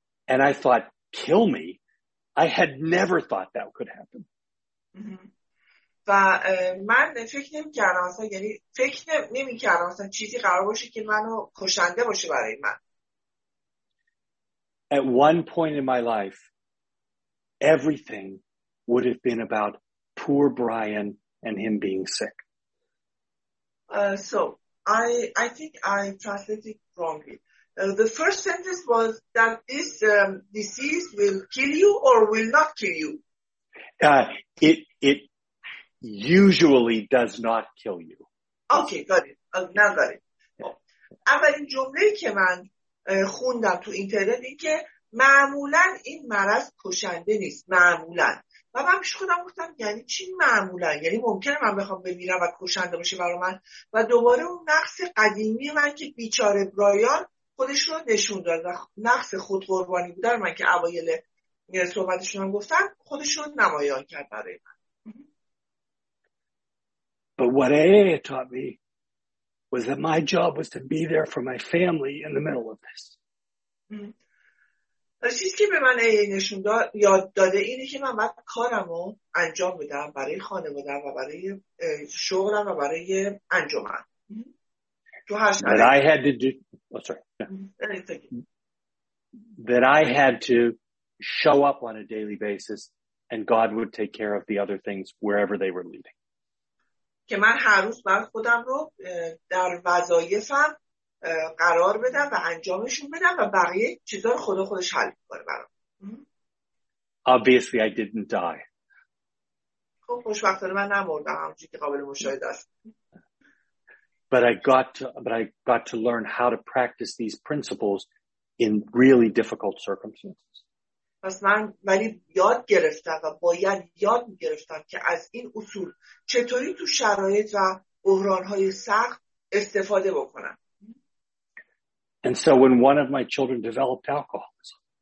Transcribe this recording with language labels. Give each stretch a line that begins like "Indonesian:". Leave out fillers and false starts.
English: And I thought, kill me? I had never thought that could happen.
Persian: و من فکر نمی‌کردم اصلا یعنی فکر نمی‌کردم اصلا چیزی قرار باشه که منو کشنده باشه برای من.
English: At one point in my life, everything would have been about poor Brian and him being sick. So I think I translated it wrongly. The first sentence was that this disease will kill you or will not kill you. It usually does not kill you. Okay, got it. Now got it.
Persian: اولین جمله که من خوندم تو اینترنت این که معمولا این مرض کشنده نیست معمولا و من پیش خودم گفتم یعنی چی معمولا یعنی ممکنه من بخوام بمیرم و کشنده باشه برای من و دوباره اون نقص قدیمی من که بیچاره برایان خودش رو نشون داد نقص خود قربانی بودن من که اوایل صحبتشون هم گفتم خودش رو نمایان کرد برای من.
English: But what AA taught me was that my job was to be there for my family in the middle of this.
Persian: چیزی که به من نشون یاد داده اینه که من باید کارمو انجام بدم برای خانواده‌ام و برای شغلم و برای انجمن. تو هر شرایطی.
English: That I had to do. Oh, sorry. That I had to show up on a daily basis, and God would take care of the other things wherever they were leading.
Persian: که من هر روز باید خودم رو در وظایفم قرار بدم و انجامشون بدم و بقیه چیزا رو خدا خودش حل می‌کنه برام.
English: Obviously I didn't die.
Persian: خب خوشبختانه من نمردم همونجوری که قابل مشاهده است.
English: But I got to learn how to practice these principles in really difficult circumstances.
Persian: پس من ولی یاد گرفتم و باید یاد می‌گرفتم که از این اصول چطوری تو شرایط و بحران‌های سخت استفاده بکنم.
English: And so when one of my children developed alcoholism.